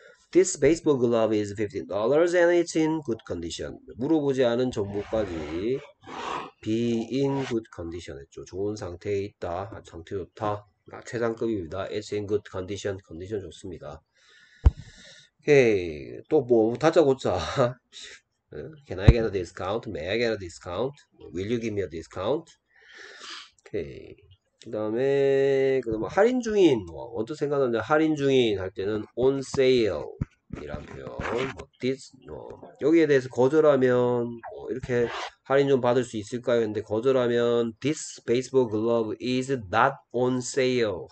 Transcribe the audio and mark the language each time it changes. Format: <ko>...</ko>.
<en>This baseball glove is $15 and it's in good condition.</en> <ko>물어보지 않은 정보까지</ko> <en>be in good condition</en> <ko>했죠. 좋은 상태에 있다. 아, 상태 좋다. 아, 최상급입니다.</ko> <en>It's in good condition.</en> <ko>컨디션 좋습니다. 오케이. 또 뭐, 다짜고짜.</ko> <en>Can I get a discount? May I get a discount? Will you give me a discount? 오케이.</en> <ko>그다음에 할인 중인. 뭐, 언뜻 생각나는데 할인 중인 할 때는 on sale. 이란 표현, this, 여기에 대해서 거절하면, 이렇게 할인 좀 받을 수 있을까요? 했는데, 거절하면,</ko> <en>this baseball glove is not on sale.</en>